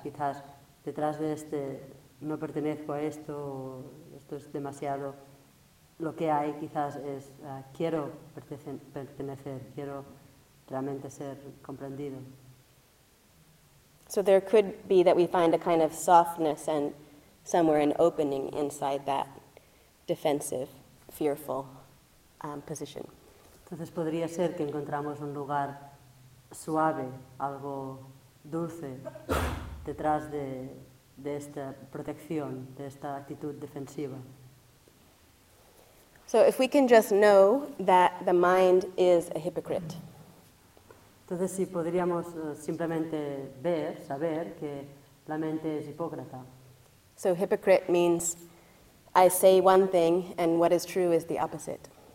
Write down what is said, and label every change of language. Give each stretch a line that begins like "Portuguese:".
Spanish: Quizás detrás de este no pertenezco a esto, esto es demasiado, lo que hay quizás es quiero pertenecer, quiero realmente ser comprendido.
English: So there could be that we find a kind of softness and somewhere an opening inside that defensive, fearful position.
Spanish: Entonces podría ser que encontramos un lugar suave, algo dulce, detrás de esta protección, de esta actitud defensiva.
English: So if we can just know that the mind is a hypocrite.
Spanish: Entonces, si podríamos simplemente ver, saber que la mente es hipócrita.
English: So hypocrite means I say one thing and what is true is the opposite.